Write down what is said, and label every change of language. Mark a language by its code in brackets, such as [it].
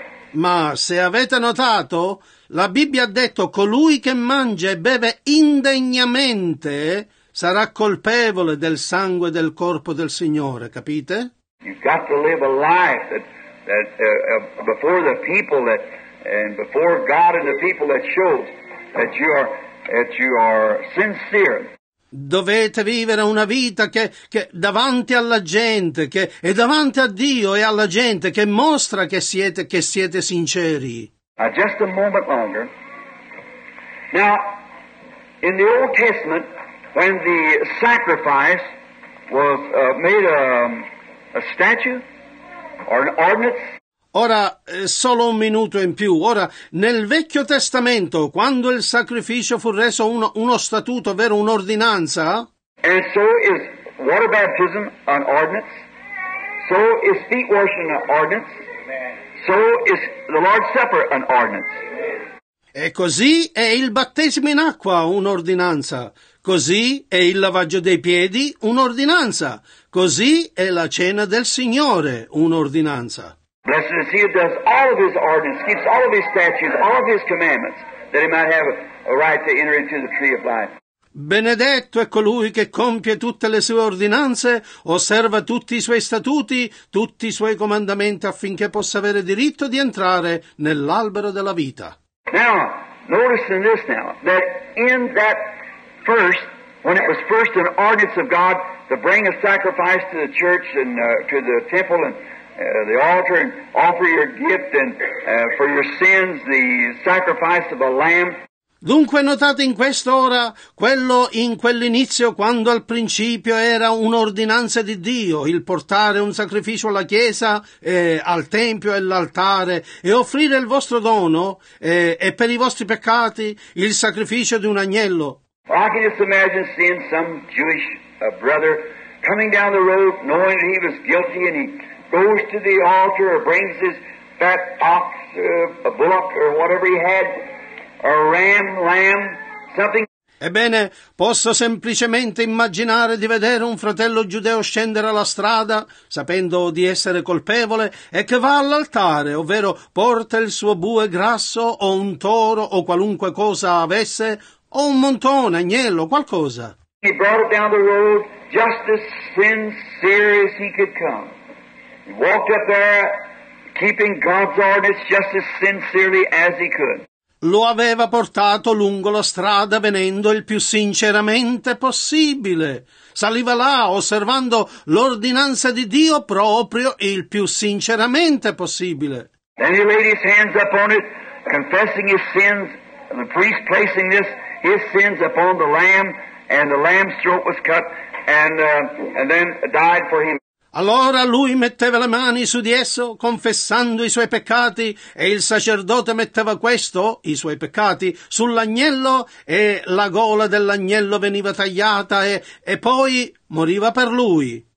[it] Ma se avete notato, la Bibbia ha detto colui che mangia e beve indegnamente sarà colpevole del sangue del corpo del Signore, capite? [en] You've got to live a life before the people that, and before God and the people that shows that you are sincere. [it] Dovete vivere una vita che davanti alla gente, che è davanti a Dio e alla gente, che mostra che siete sinceri. [en] Now, just a moment longer. Now, in the Old Testament, when the sacrifice was made a statue or an ordinance. [it] Ora, solo un minuto in più. Ora, nel Vecchio Testamento, quando il sacrificio fu reso uno statuto, ovvero un'ordinanza, [en] and so is water baptism an ordinance, so is feet washing an ordinance, so is the Lord's Supper an ordinance. [it] E così è il battesimo in acqua un'ordinanza, così è il lavaggio dei piedi un'ordinanza, così è la cena del Signore un'ordinanza. [en] Blessed is he who does all of his ordinances, keeps all of his statutes, all of his commandments, that he might have a right to enter into the tree of life. [it] Benedetto è colui che compie tutte le sue ordinanze, osserva tutti i suoi statuti, tutti i suoi comandamenti, affinché possa avere diritto di entrare nell'albero della vita. [en] Now, notice in this now, that in that first, when it was first an ordinance of God to bring a sacrifice to the church and to the temple and the altar and offer your gift and for your sins the sacrifice of a lamb. [it] Dunque notate in quest'ora quello in quell'inizio quando al principio era un'ordinanza di Dio il portare un sacrificio alla chiesa al tempio e all'altare e offrire il vostro dono e per i vostri peccati il sacrificio di un agnello. [en] Well, I can just imagine seeing some Jewish brother coming down the road knowing that he was guilty and he goes to the altar or brings his fat ox, a bullock or whatever he had, a ram, lamb, something. [it] Ebbene, posso semplicemente immaginare di vedere un fratello giudeo scendere alla strada, sapendo di essere colpevole, e che va all'altare, ovvero porta il suo bue grasso o un toro o qualunque cosa avesse, o un montone, agnello, qualcosa. [en] He brought it down the road just as sincere as he could come. Walked up there, keeping God's ordinance just as sincerely as he could. [it] Lo aveva portato lungo la strada venendo il più sinceramente possibile. Saliva là osservando l'ordinanza di Dio proprio il più sinceramente possibile. [en] Then he laid his hands upon it, confessing his sins, and the priest placing this his sins upon the lamb, and the lamb's throat was cut, and then died for him. [it] Allora lui metteva le mani su di esso, confessando i suoi peccati, e il sacerdote metteva questo, i suoi peccati, sull'agnello, e la gola dell'agnello veniva tagliata, e poi moriva per lui.